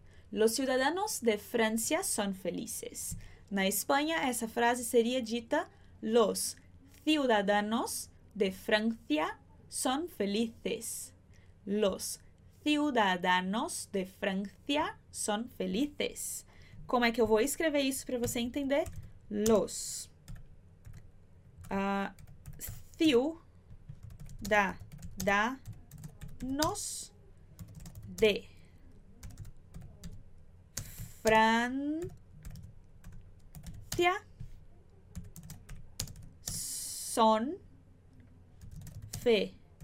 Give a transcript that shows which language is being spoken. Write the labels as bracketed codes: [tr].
[es] Los ciudadanos de Francia son felices. [pt] Na Espanha, essa frase seria dita: [es] Los ciudadanos de Francia son felices. Los ciudadanos de Francia son felices. [pt] Como é que eu vou escrever isso para você entender? [es] Los ciudadanos de Francia son felices.